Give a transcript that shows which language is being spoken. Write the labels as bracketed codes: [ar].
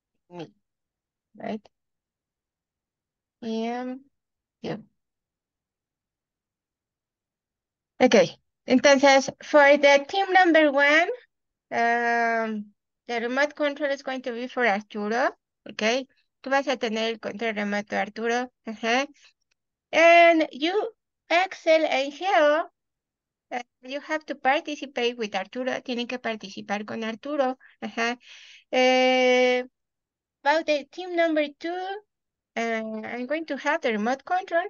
[en] Me. Right? And you. Okay, entonces, for the team number one, the remote control is going to be for Arturo, okay? [es] Tú vas a tener el control remoto, Arturo. [en] And you, Axel and Geo, you have to participate with Arturo. [es] Tienen que participar con Arturo. [en] About the team number two, I'm going to have the remote control.